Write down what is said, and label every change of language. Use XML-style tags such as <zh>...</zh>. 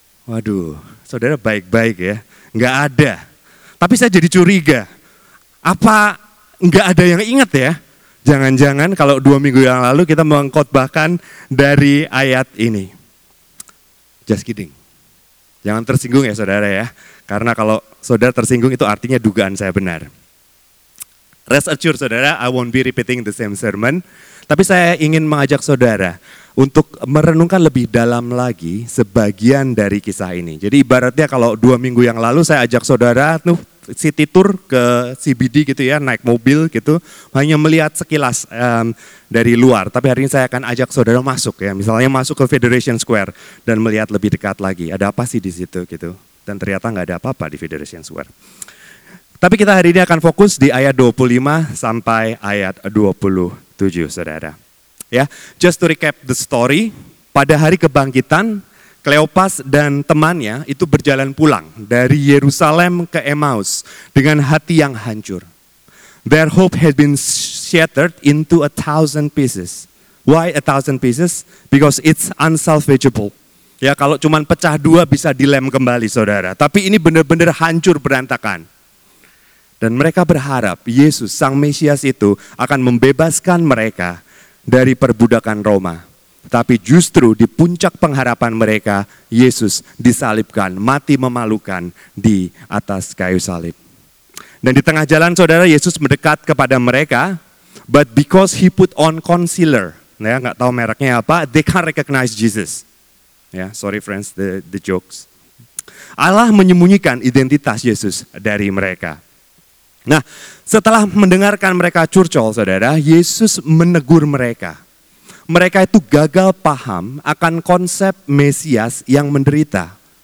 <id>Waduh, saudara baik-baik ya, enggak ada. Tapi saya jadi curiga. Apa enggak ada yang ingat ya? Jangan-jangan kalau dua minggu yang lalu kita mengkhotbahkan dari ayat ini.</id> <en>Just kidding.</en> <id>Jangan tersinggung ya saudara ya. Karena kalau saudara tersinggung itu artinya dugaan saya benar.</id> <en>Rest assured saudara, I won't be repeating the same sermon.</en> <id>Tapi saya ingin mengajak saudara untuk merenungkan lebih dalam lagi sebagian dari kisah ini. Jadi ibaratnya kalau dua minggu yang lalu saya ajak saudara tuh</id> <en>city tour</en> <id>ke CBD gitu ya, naik mobil gitu, hanya melihat sekilas dari luar. Tapi hari ini saya akan ajak saudara masuk ya, misalnya masuk ke Federation Square dan melihat lebih dekat lagi. Ada apa sih di situ gitu? Dan ternyata nggak ada apa-apa di Federation Square. Tapi kita hari ini akan fokus di ayat 25 sampai ayat 27, saudara. Ya,</id> <en>just to recap the story,</en> <id>pada hari kebangkitan, Kleopas dan temannya itu berjalan pulang dari Yerusalem ke Emmaus dengan hati yang hancur.</id> <en>Their hope had been shattered into 1,000 pieces. Why 1,000 pieces? Because it's unsalvageable.</en> <id>Ya, kalau cuma pecah dua bisa dilem kembali, saudara. Tapi ini benar-benar hancur berantakan. Dan mereka berharap Yesus, Sang Mesias itu akan membebaskan mereka dari perbudakan Roma. Tapi justru di puncak pengharapan mereka, Yesus disalibkan, mati memalukan di atas kayu salib. Dan di tengah jalan, saudara, Yesus mendekat kepada mereka,</id> <en>but because he put on concealer,</en> <id>ya, gak tahu mereknya apa,</id> <en>they can't recognize Jesus. Ya, sorry friends, the jokes.</en> <id>Allah menyembunyikan identitas Yesus dari mereka. Nah, setelah mendengarkan mereka curcol, saudara, Yesus menegur mereka. Mereka itu gagal paham akan konsep Mesias yang menderita.</id>